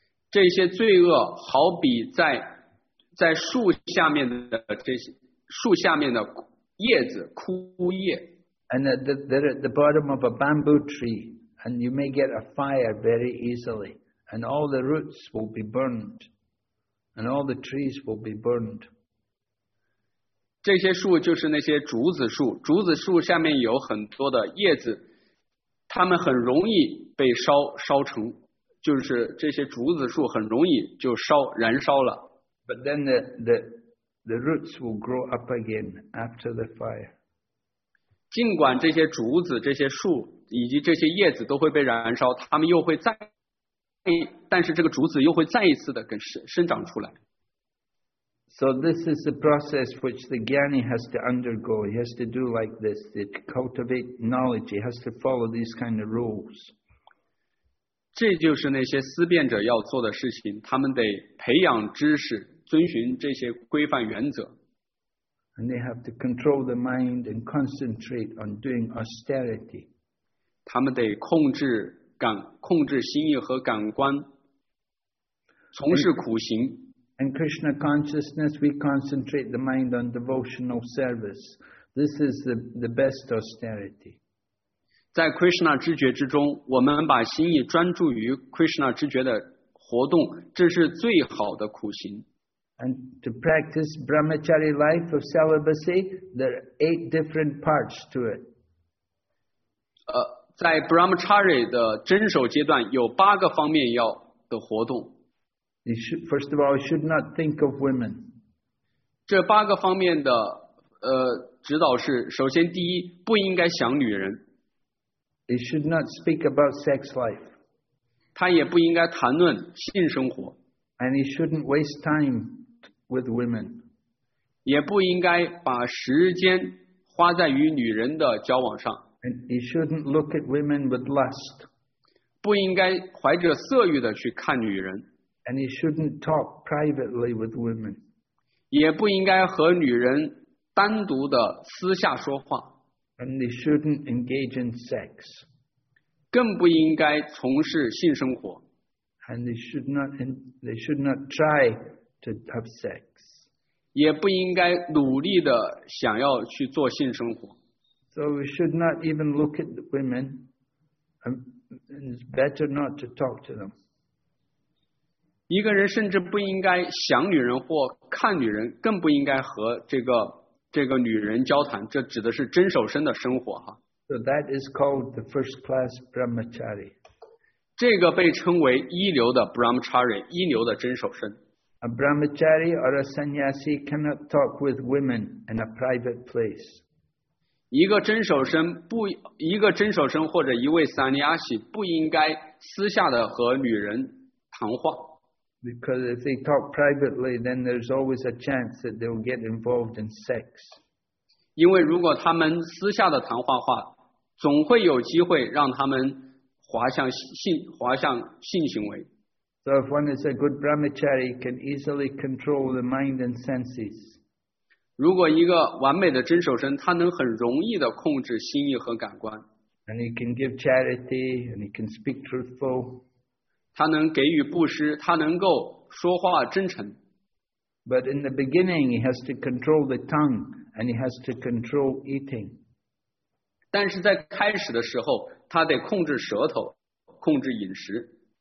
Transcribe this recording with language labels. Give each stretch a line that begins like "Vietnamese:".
Chinese: 这些罪恶好比在树下面的树下面的叶子枯叶。
English: And they're at the bottom of a bamboo tree, and you may get a fire very easily, and all the roots will be burned, and all the trees will be burned.
Chinese: 这些树就是那些竹子树，竹子树下面有很多的叶子，它们很容易被烧成，就是这些竹子树很容易就燃烧了。
English: But then the roots will grow up again after the fire.
Chinese: 尽管这些竹子、这些树以及这些叶子都会被燃烧，它们又会再，但是这个竹子又会再一次的跟生长出来。
English: So this is the process which the Gyani has to undergo. He has to do like this. To cultivate knowledge, he has to follow these kind of rules.
Chinese: 这就是那些思辨者要做的事情，他们得培养知识，遵循这些规范原则。
English: And they have to control the mind and concentrate on doing austerity.
Chinese: 他们得控制心意和感官，从事苦行。
English: In Krishna consciousness, we concentrate the mind on devotional service. This is the best austerity.
Chinese: 在 Krishna 知觉之中，我们把心意专注于 Krishna 知觉的活动，这是最好的苦行。
English: And to practice brahmachari life of celibacy, there are 8 different parts to it.
Chinese: 在 brahmachari 的遵守阶段，有八个方面要的活动。
English: First of all, you should not think of women.
Chinese: 这八个方面的指导是：首先，第一，不应该想女人。
English: You should not speak about sex life.
Chinese: 他也不应该谈论性生活。
English: And you shouldn't waste time with women.
Chinese: 也不应该把时间花在与女人的交往上。
English: And you shouldn't look at women with lust.
Chinese: 不应该怀着色欲的去看女人。
English: And you shouldn't talk privately with women.
Chinese: 也不应该和女人单独的私下说话。
English: And you shouldn't engage in sex.
Chinese: 更不应该从事性生活。
English: And they should not try to have sex.
Chinese: 也不应该努力的想要去做性生活。
English: So we should not even look at the women, and it's better not to talk to them.
Chinese: 一个人甚至不应该想女人或看女人，更不应该和这个女人交谈。这指的是真守身的生活哈。
English: So that is called the first class brahmachari.
Chinese: 这个被称为一流的 brahmachari， 一流的真守身。
English: A brahmachari or a sannyasi cannot talk with women in a private place.
Chinese: 一个真守身或者一位 sannyasi 不应该私下的和女人谈话。
English: Because if they talk privately, then there's always a chance that they'll get involved in sex.
Chinese: 因为如果他们私下的谈话的话，总会有机会让他们滑向性行为。
English: So if one is a good brahmachari, can easily control the mind and senses.
Chinese: 如果一个完美的真守身，他能很容易的控制心意和感官。
English: And he can give charity, and he can speak truthful.
Chinese: 他能给予布施，他能够说话真诚。
English: But in the beginning, he has to control the tongue, and he has to control eating.
Chinese: 但是在开始的时候。他得控制舌头，控制饮食。